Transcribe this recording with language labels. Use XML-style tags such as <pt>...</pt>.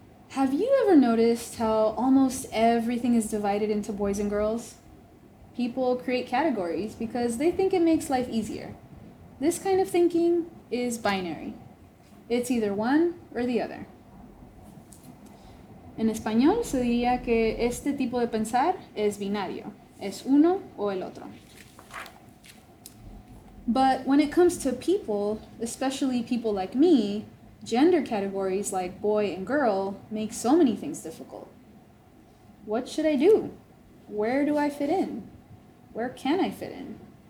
<en>Have you ever noticed how almost everything is divided into boys and girls? People create categories because they think it makes life easier. This kind of thinking is binary. It's either one or the other.</en> <es>En español se diría que este tipo de pensar es binario. Es uno o el otro.</es> <en>But when it comes to people, especially people like me, gender categories like boy and girl make so many things difficult. What should I do? Where do I fit in? Where can I fit in?</en>